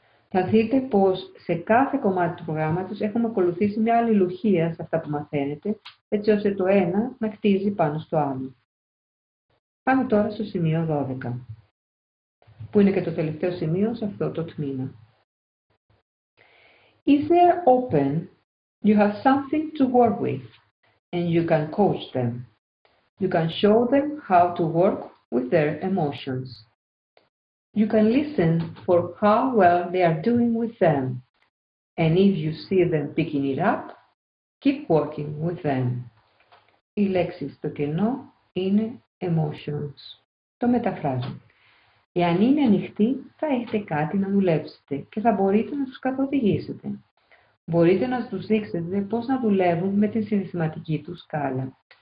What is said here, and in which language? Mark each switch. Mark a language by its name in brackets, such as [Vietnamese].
[Greek] Θα δείτε πως σε κάθε κομμάτι του προγράμματος έχουμε ακολουθήσει μια αλληλουχία σε αυτά που μαθαίνετε, έτσι ώστε το ένα να χτίζει πάνω στο άλλο. Πάμε τώρα στο σημείο 12, που είναι και το τελευταίο σημείο σε αυτό το τμήμα. [English] If they are open, you have something to work with and you can coach them. You can show them how to work with their emotions. You can listen for how well they are doing with them. And if you see them picking it up, keep working with them. [Greek] Οι λέξεις στο κενό είναι emotions. Το μεταφράζω. Εάν είναι ανοιχτή, θα έχετε κάτι να δουλέψετε και θα μπορείτε να τους καθοδηγήσετε. Μπορείτε να τους δείξετε πώς να δουλεύουν με τη συναισθηματική τους σκάλα.